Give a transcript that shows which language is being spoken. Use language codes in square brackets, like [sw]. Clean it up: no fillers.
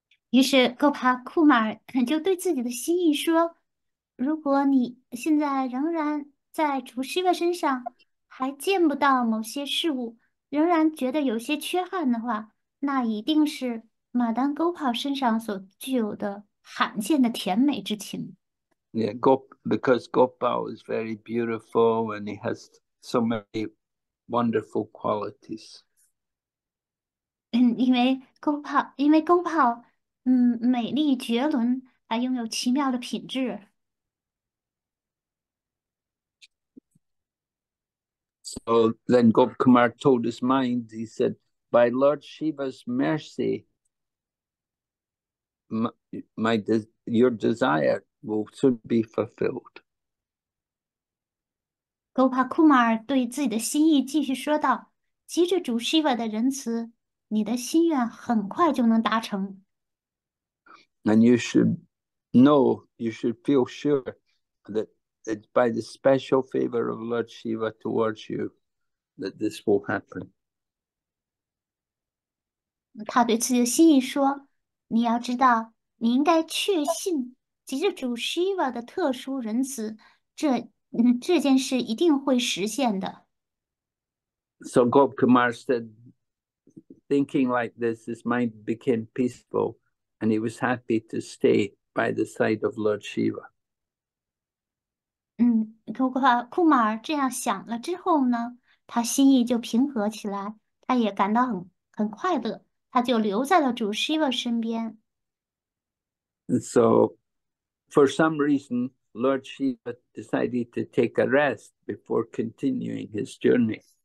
[zh] 于是，Gopakumar 就对自己的心意说："如果你现在仍然在主 Shiva 身上还见不到某些事物，仍然觉得有些缺憾的话，那一定是马当 Gopal 身上所具有的罕见的甜美之情。" [en] Because Gopal is very beautiful and he has so many wonderful qualities. [zh] 因为 Gopal。美丽绝伦，还拥有奇妙的品质。 [en] So then Gopkumar told his mind, he said, by Lord Shiva's mercy, your desire will soon be fulfilled. [zh] Gopakumar 对自己的心意继续说道："急着主 Shiva 的仁慈，你的心愿很快就能达成。" [en] And you should know, you should feel sure that it's by the special favor of Lord Shiva towards you that this will happen. [zh] 他对自己的心意说："你要知道，你应该确信，即使主 Shiva 的特殊仁慈，这件事一定会实现的。 [en] So Gopkumar said, thinking like this, his mind became peaceful. And he was happy to stay by the side of Lord Shiva. [zh] ”库马尔这样想了之后呢，他心意就平和起来，他也感到很快乐。他就留在了主 Shiva 身边。 [en] And so, for some reason, Lord Shiva decided to take a rest before continuing his journey.